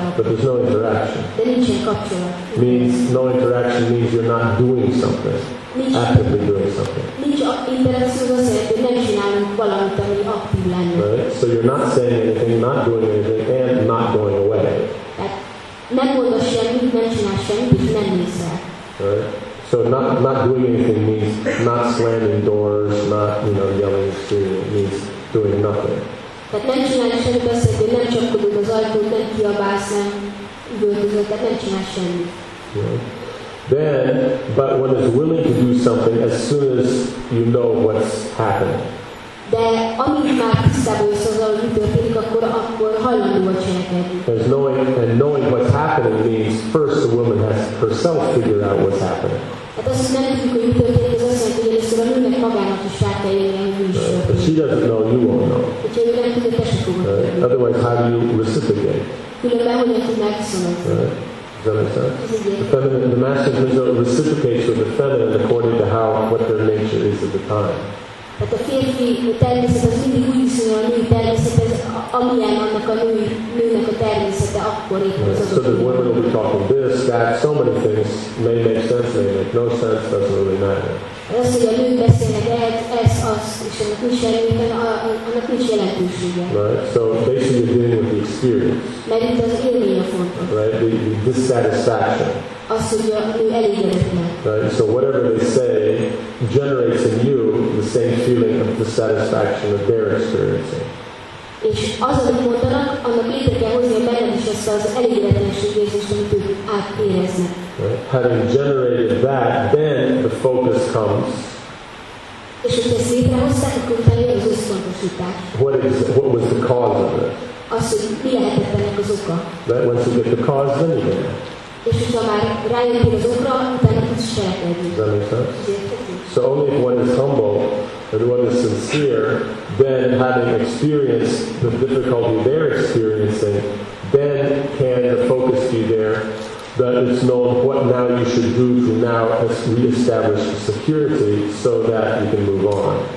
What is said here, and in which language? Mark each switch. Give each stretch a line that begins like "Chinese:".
English: But there's no interaction. Means no interaction means you're not doing something. Actively doing something. Right? So you're not saying anything, not doing anything, and not going away.
Hungarian: Nem mondasz semmit, nem csinálsz semmit, és nem nézel.
English: Right? So not doing anything means not slamming doors, not, you know, yelling, screaming, it means doing nothing.
Hungarian: Tehát nem csinálsz semmit, azt jelenti, hogy nem csapkodod az ajtót, nem kiabálsz, nem üvöltözöd, tehát nem csinálsz semmit.
English: Then, but one is willing to do something as soon as you know what's happening.
Hungarian: De amíg már tisztában jössz azzal, hogy mi történik, akkor hajlandó a cselekedni.
English: Knowing what's happening means first the woman has herself figured out what's happening.
Hungarian: Hát azt nem tudjuk, hogy mi történik, az azt jelenti, hogy először a nőnek magának is rá kell jönni, hogy mi is történik.
English: But she doesn't know, you won't know.
Hungarian: Hogyha ő nem tudja, te se fogod tudni.
English: Otherwise, how do you reciprocate?
Hungarian: Különben hogyan tudnák viszonyítani?
English: Is that what I'm saying? The master Rizzo reciprocates with the feminine according to how what their nature is at the time.
Hungarian: Tehát a férfi természet az mindig úgy viszonyul a női természethez, amilyen annak a nőnek a természete akkor éppen az adott.
English: So the women will be talking this, that, so many things may make sense, may make no sense, doesn't really matter.
Hungarian: Az, hogy a nők beszélnek lehet, ez, az, és annak nincs jelentősége. Annak nincs jelentősége.
English: Right, so basically you're dealing with the experience.
Hungarian: Mert itt az élmény a fontos.
English: Right, the dissatisfaction.
Hungarian: az, hogy ő elégedetlen.
English: Right, so whatever they say generates in you the same feeling of dissatisfaction that they're experiencing.
Hungarian: És az, amit mondanak, annak létre kell hozni benned is ezt az elégedetlenség érzést, amit ők átéreznek.
English: Right. Having generated that, then the focus comes.
Hungarian: És hogy ezt létrehozták, akkor utána jön az összpontosítás.
English: What was the cause of it?
Hungarian: Az, hogy mi lehetett ennek az oka.
English: Right. Once you get the cause, then you get it.
Hungarian: És hogyha már rájöttél az okra, utána tudsz cselekedni.
English: Does that make sense? So only if one is humble and one is sincere, then having experienced the difficulty they're experiencing, then can the focus be there that it's known what now you should do to now reestablish the security so that you can move on.